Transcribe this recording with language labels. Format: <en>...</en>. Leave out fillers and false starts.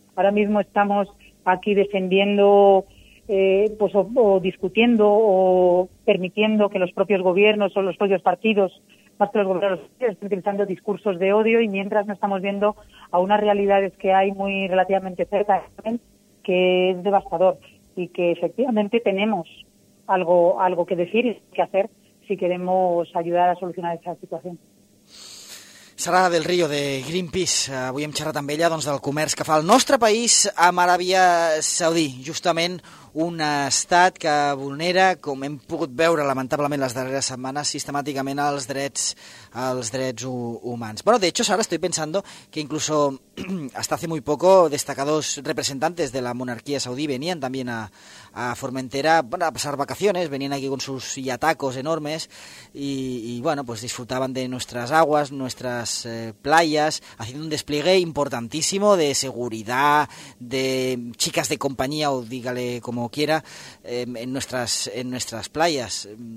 <es>Ahora mismo estamos aquí defendiendo, pues o discutiendo o permitiendo que los propios gobiernos o los propios partidos, más que los gobiernos, estén utilizando discursos de odio, y mientras no estamos viendo a unas realidades que hay muy relativamente cerca, que es devastador. Y que efectivamente tenemos algo que decir y que hacer si queremos ayudar a solucionar esa situación. Sara del Río, de Greenpeace.</es> <ca>Avui hem xerrat amb ella, doncs, del comerç que fa el nostre país amb Aràbia Saudí, justament un estat que vulnera, com hem pogut veure lamentablement les darreres setmanes, sistemàticament els drets humans.</ca> <es>Bueno, de hecho, Sara, estoy pensando que incluso hasta hace muy poco destacados representantes de la monarquía saudí venían también a Formentera, bueno, a pasar vacaciones, venían aquí con sus yatacos enormes y bueno, pues disfrutaban de nuestras aguas, nuestras playas, haciendo un despliegue importantísimo de seguridad, de chicas de compañía, o dígale como quiera, en nuestras playas.</es>